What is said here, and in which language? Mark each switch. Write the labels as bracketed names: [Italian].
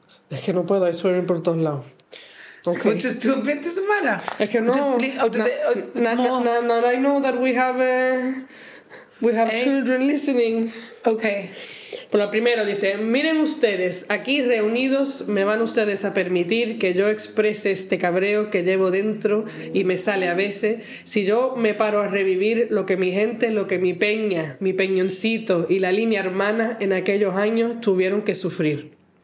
[Spanish] Es que no puedo, hay swearing por todos lados. [English] Okay. We'll just do a bit, doesn't matter. [Spanish] Es que no. [English] Now I know that we have children listening. Okay. [Spanish] Por la primera dice, miren ustedes, aquí reunidos me van ustedes a permitir que yo exprese este cabreo que llevo dentro y me sale a veces, si yo me paro a revivir lo que mi gente, lo que mi peñoncito y la línea hermana en aquellos años tuvieron que sufrir.